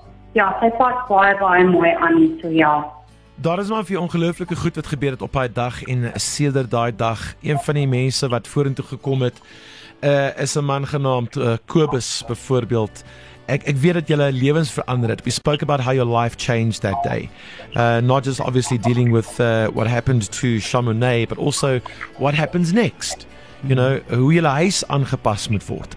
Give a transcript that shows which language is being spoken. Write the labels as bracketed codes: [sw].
[af] Ja, sy pas baie, baie mooi aan. So ja. Daar is maar vir ongelooflike goed wat gebeur het op hy dag en sedert daai dag. Een van die mense wat vorentoe gekom het, is 'n man genaamd Kobus, byvoorbeeld. Ek weet dat julle lewens verander het. [en] We spoke about how your life changed that day. Not just obviously dealing with what happened to Chamonix, but also what happens next. You know, [af] hoe julle huis aangepas moet word.